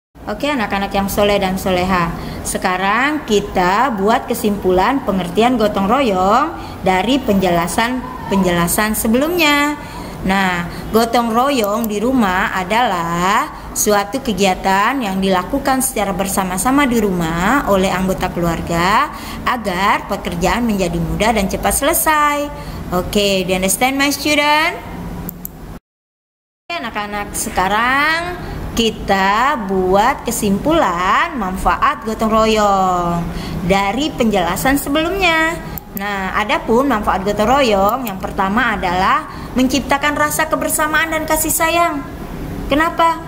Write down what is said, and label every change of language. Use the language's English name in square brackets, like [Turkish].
[Indonesian] Oke anak-anak yang soleh dan soleha, sekarang kita buat kesimpulan pengertian gotong royong dari penjelasan-penjelasan sebelumnya. Nah, gotong royong di rumah adalah suatu kegiatan yang dilakukan secara bersama-sama di rumah oleh anggota keluarga agar pekerjaan menjadi mudah dan cepat selesai. [English] Oke, do you understand my student? [Indonesian] Oke anak-anak, sekarang kita buat kesimpulan manfaat gotong royong dari penjelasan sebelumnya. Nah, adapun manfaat gotong royong yang pertama adalah menciptakan rasa kebersamaan dan kasih sayang. Kenapa?